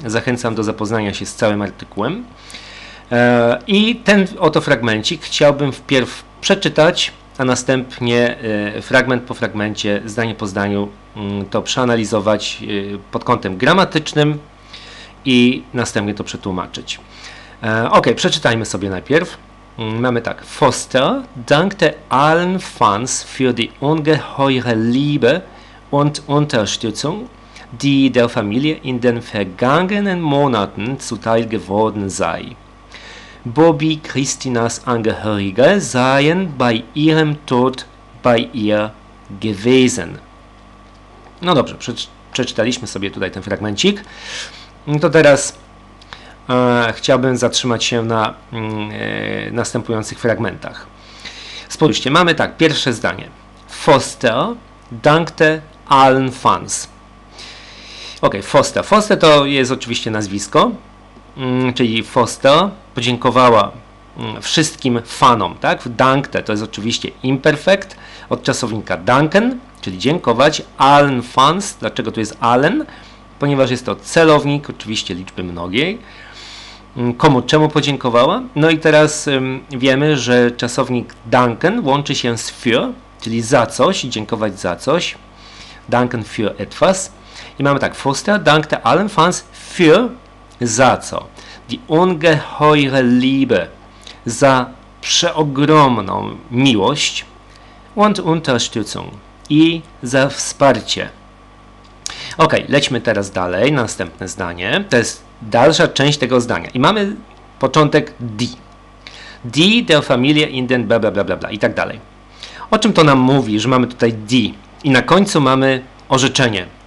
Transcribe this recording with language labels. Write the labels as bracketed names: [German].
[Polish] Zachęcam do zapoznania się z całym artykułem. I ten oto fragmencik chciałbym wpierw przeczytać, a następnie fragment po fragmencie, zdanie po zdaniu to przeanalizować pod kątem gramatycznym i następnie to przetłumaczyć. Ok, przeczytajmy sobie najpierw. Mamy tak. [German] Foster dankte allen Fans für die ungeheure Liebe und Unterstützung, die der Familie in den vergangenen Monaten zuteil geworden sei. Bobby Christinas Angehörige seien bei ihrem Tod bei ihr gewesen. [Polish] No dobrze, przeczytaliśmy sobie tutaj ten fragmencik. To teraz chciałbym zatrzymać się na następujących fragmentach. Spójrzcie, mamy tak, pierwsze zdanie. [German] Foster dankte allen Fans. [Polish] Ok, Foster. Foster to jest oczywiście nazwisko, czyli Foster podziękowała wszystkim fanom, tak? Dankte to jest oczywiście imperfekt od czasownika danken, czyli dziękować, [German] allen Fans. [Polish] Dlaczego tu jest allen? Ponieważ jest to celownik, oczywiście liczby mnogiej. Komu, czemu podziękowała? No i teraz wiemy, że czasownik danken łączy się z für, czyli za coś, dziękować za coś. [German] Danken für etwas. [Polish] I mamy tak, [German] Foster dankte allen Fans für, [Polish] za co? [German] Die ungeheure Liebe, [Polish] za przeogromną miłość. [German] Und Unterstützung, [Polish] i za wsparcie. Ok, lećmy teraz dalej, następne zdanie. To jest dalsza część tego zdania. I mamy początek die. [German] Die der Familie in den [Polish] bla bla bla bla bla i tak dalej. O czym to nam mówi, że mamy tutaj die? I na końcu mamy orzeczenie.